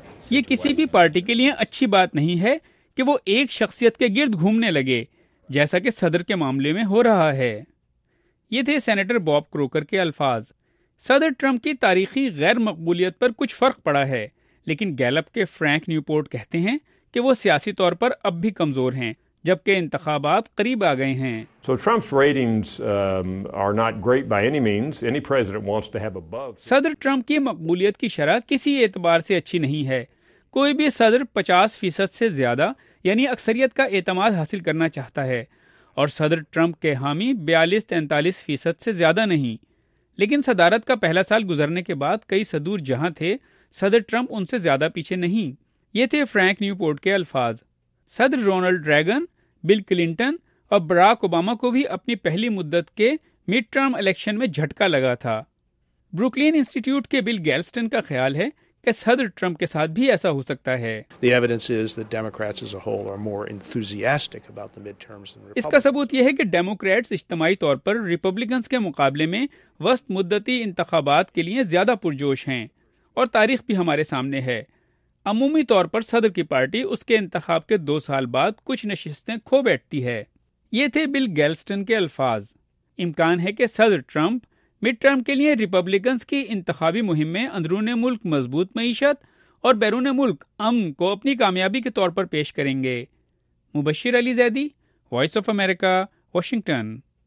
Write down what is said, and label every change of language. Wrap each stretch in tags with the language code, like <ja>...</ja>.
<ur>یہ کسی بھی پارٹی کے لیے اچھی بات نہیں ہے کہ وہ ایک شخصیت کے گرد گھومنے لگے, جیسا کہ صدر کے معاملے میں ہو رہا ہے. یہ تھے سینیٹر باب کروکر کے الفاظ. صدر ٹرمپ کی تاریخی غیر مقبولیت پر کچھ فرق پڑا ہے, لیکن گیلپ کے فرینک نیوپورٹ کہتے ہیں کہ وہ سیاسی طور پر اب بھی کمزور ہیں جبکہ انتخابات قریب آ گئے ہیں.</ur> <en>So Trump's ratings are not great by any means. Any president wants to have above.</en> <ur>صدر ٹرمپ کی مقبولیت کی شرح کسی اعتبار سے اچھی نہیں ہے. کوئی بھی صدر 50% سے زیادہ یعنی اکثریت کا اعتماد حاصل کرنا چاہتا ہے, اور صدر ٹرمپ کے حامی 42-43% سے زیادہ نہیں. لیکن صدارت کا پہلا سال گزرنے کے بعد کئی صدور جہاں تھے, صدر ٹرمپ ان سے زیادہ پیچھے نہیں. یہ تھے فرینک نیوپورٹ کے الفاظ. صدر رونلڈ ریگن, بل کلنٹن اور براک اوباما کو بھی اپنی پہلی مدت کے مڈ ٹرم الیکشن میں جھٹکا لگا تھا. بروکلین انسٹیٹیوٹ کے بل گیلسٹن کا خیال ہے کہ صدر ٹرمپ کے ساتھ بھی ایسا ہو سکتا ہے.</ur> <en>The evidence is that Democrats as a whole are more enthusiastic about the midterms than Republicans.</en> <ur>اس کا ثبوت یہ ہے کہ ڈیموکریٹس اجتماعی طور پر ریپبلکنز کے مقابلے میں وسط مدتی انتخابات کے لیے زیادہ پرجوش ہیں, اور تاریخ بھی ہمارے سامنے ہے. عمومی طور پر صدر کی پارٹی اس کے انتخاب کے 2 سال بعد کچھ نشستیں کھو بیٹھتی ہے. یہ تھے بل گیلسٹن کے الفاظ. امکان ہے کہ صدر ٹرمپ مڈ ٹرم کے لیے ریپبلکنز کی انتخابی مہم میں اندرون ملک مضبوط معیشت اور بیرون ملک امن کو اپنی کامیابی کے طور پر پیش کریں گے. مبشر علی Zaidi, voice of America, Washington.</ur>